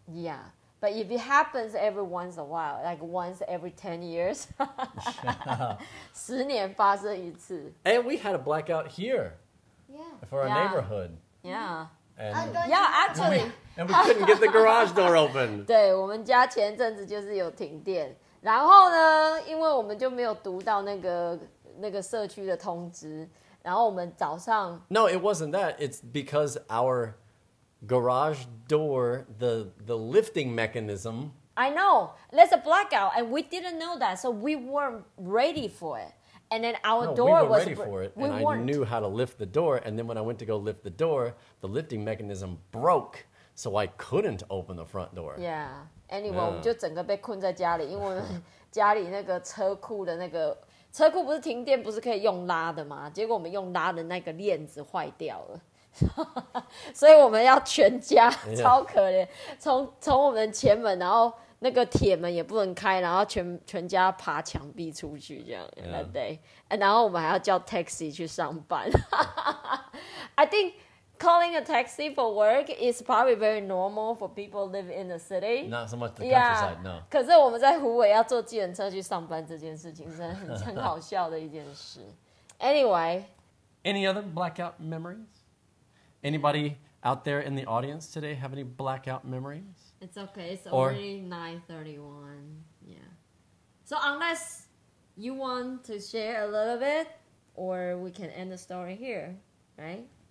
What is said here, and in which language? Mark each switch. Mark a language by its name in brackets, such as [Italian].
[English] Yeah. But if it happens every once in a while, like once every 10 years. [Chinese] 十年发生一次. [English] And we had a blackout here. Yeah. For our neighborhood. Yeah. Actually. And we couldn't get the garage door open. [Chinese] 对,我们家前阵子就是有停电。然后呢,因为我们就没有读到那个社区的通知。然后我们早上 [English] No, it wasn't that. It's because our garage door, the lifting mechanism. I know. There's a blackout and we didn't know that. So we weren't ready for it. And then our door we was ready for it. We and weren't. I knew how to lift the door. And then when I went to go lift the door, the lifting mechanism broke. So I couldn't open the front door. Yeah. Anyway, [Chinese] 我们就整个被困在家里，因为家里那个车库的那个车库不是停电，不是可以用拉的吗？结果我们用拉的那个链子坏掉了，所以我们要全家超可怜，从我们前门，然后那个铁门也不能开，然后全家爬墙壁出去这样。 [English] Yeah. That day, [Chinese] 然后我们还要叫 taxi 去上班。 [English] I think. Calling a taxi for work is probably very normal for people live in the city. Not so much the countryside, yeah, no. [Chinese] 可是我们在湖尾要坐计程车去上班这件事情是很好笑的一件事。 [English] Anyway. Any other blackout memories? Anybody out there in the audience today have any blackout memories? It's okay, it's already 9:31. Yeah. So unless you want to share a little bit, or we can end the story here, right?